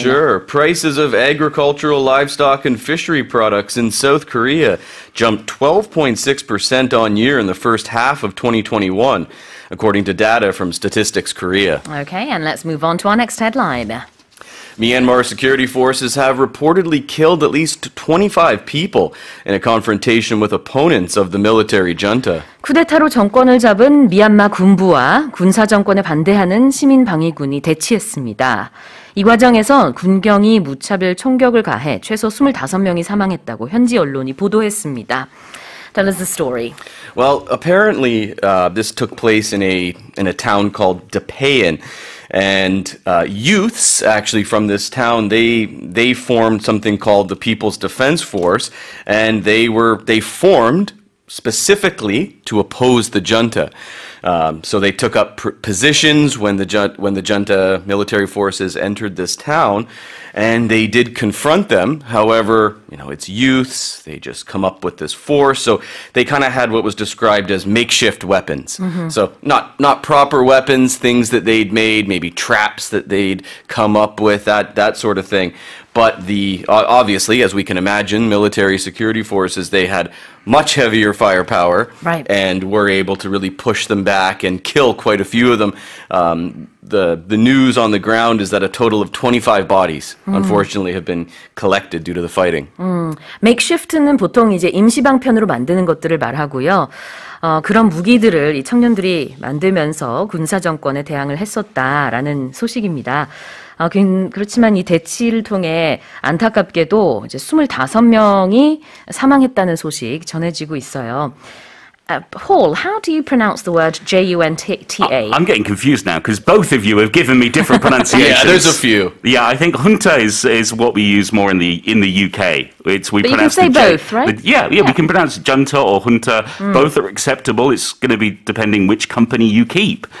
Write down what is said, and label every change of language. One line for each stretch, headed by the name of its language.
English: Sure. Prices of agricultural, livestock, and fishery products in South Korea jumped 12.6% on year in the first half of 2021, according to data from Statistics Korea. Okay, and let's move on to our next headline. Myanmar security forces have reportedly killed at least 25 people in a confrontation with opponents of the military junta.
Korean: 쿠데타로 정권을 잡은 미얀마 군부와 군사 정권에 반대하는 시민 방위군이 대치했습니다. 이 과정에서 군경이 무차별 총격을 가해 최소 25명이 사망했다고 현지 언론이 보도했습니다.
English: Tell us the story. Well, apparently this took place in a town called Depayan. And youths, actually, from this town, they formed something called the People's Defense Force. And they formed specifically to oppose the junta. So they took up positions when the junta military forces entered this town, and they did confront them. However, you know, it's youths, they just come up with this force, so they kind of had what was described as makeshift weapons. Mm-hmm. So not proper weapons, things that they'd made, maybe traps that they'd come up with, that sort of thing. But the obviously, as we can imagine, military security forces, they had much heavier firepower, right, and were able to really push them back and kill quite a few of them. The news on the ground is that a total of 25 bodies, unfortunately, have been collected due to the fighting.
Korean: Makeshift는 보통 이제 임시방편으로 만드는 것들을 말하고요. 그런 무기들을 이 청년들이 만들면서 군사정권에 대항을 했었다라는 소식입니다. 그렇지만 이 대치를 통해 안타깝게도 이제 25명이 사망했다는 소식 전해지고 있어요.
English: Paul, how do you pronounce the word junta? I'm getting confused now because both of you have given me different pronunciations. Yeah, there's a few. Yeah, I think junta is what we use more in the UK. We can pronounce junta or junta. Mm. Both are acceptable. It's going to be depending which company you keep.